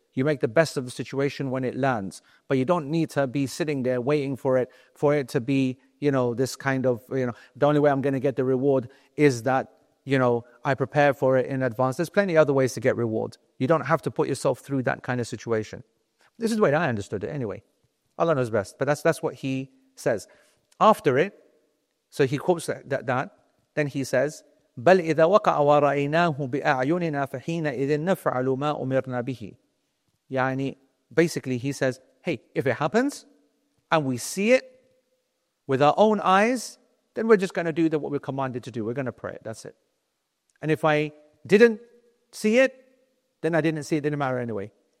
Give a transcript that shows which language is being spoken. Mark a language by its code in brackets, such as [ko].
[en] You make the best of the situation when it lands. But you don't need to be sitting there waiting for it to be, you know, this kind of, you know, the only way I'm going to get the reward is that, you know, I prepare for it in advance. There's plenty of other ways to get reward. You don't have to put yourself through that kind of situation. This is the way that I understood it anyway. Allah knows best. But that's what he says. After it, so he quotes that then he says, [ar] بَلْ إِذَا وَقَعَ وَرَأَيْنَاهُ بِأَعْيُنِنَا فَحِينَ إِذٍ نَفْعَلُ مَا أُمِرْنَا بِهِ. [en] Yani, basically he says, hey, if it happens and we see it with our own eyes, then we're just going to do what we're commanded to do. We're going to pray it. That's it. And if I didn't see it, then I didn't see it. It didn't matter anyway.